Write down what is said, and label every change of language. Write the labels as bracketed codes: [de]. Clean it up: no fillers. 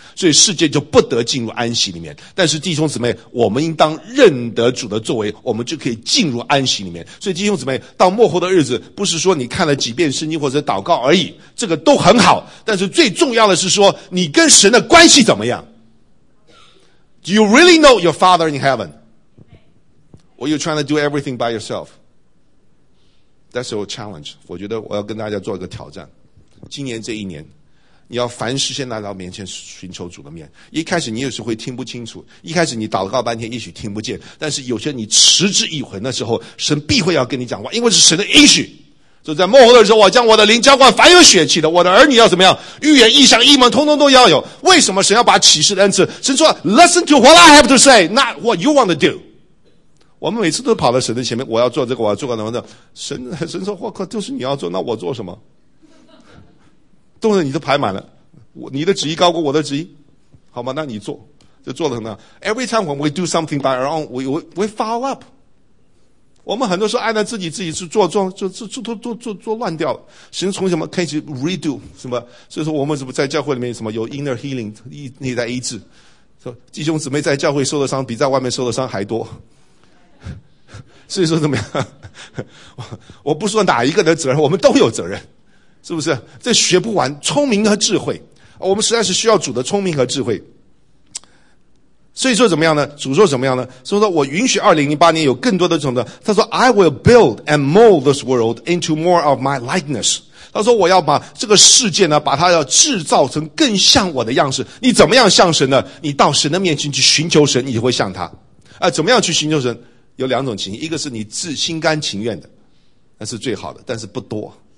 [zh] 所以世界就不得进入安息里面。但是弟兄姊妹，我们应当认得主的作为，我们就可以进入安息里面。所以弟兄姊妹，到末后的日子，不是说你看了几遍圣经或者祷告而已，这个都很好，但是最重要的是说你跟神的关系怎么样。 [en] Do you really know your father in heaven? Or you trying to do everything by yourself? That's your challenge. [zh] 我觉得我要跟大家做一个挑战，今年这一年你要凡事先来到面前寻求主的面。一开始你有时会听不清楚，一开始你祷告半天也许听不见，但是有些你持之以恒的时候，神必会要跟你讲话，因为是神的应许。就在末后的时候，我将我的灵浇灌凡有血气的，我的儿女要怎么样，预言异象异梦通通都要有。为什么神要把启示的恩赐？神说 [en] Listen to what I have to say, not what you want to do。 [zh] 我们每次都跑到神的前面，我要做这个，我要做个什么的，神说我靠，就是你要做，那我做什么？都是你都排满了，你的旨意高过我的旨意，好吗？那你做，就做得很好。 [en] Every time when we do something by our own, we foul up. [zh] 我们很多时候按照自己去做乱掉了。神从什么开始 redo 什么？所以说我们怎么在教会里面什么有 inner healing 内在医治？说弟兄姊妹在教会受的伤比在外面受的伤还多。所以说怎么样？我不说哪一个的责任，我们都有责任。是不是这学不完？聪明和智慧，我们实在是需要主的聪明和智慧。所以说怎么样呢？主说怎么样呢？所以说我允许2008年有更多的这种的。他说 [en] I will build and mold this world into more of my likeness。 [zh] 他说我要把这个世界呢，把它要制造成更像我的样式。你怎么样像神呢？你到神的面前去寻求神，你就会像他。怎么样去寻求神？有两种情形，一个是你自心甘情愿的，那是最好的，但是不多。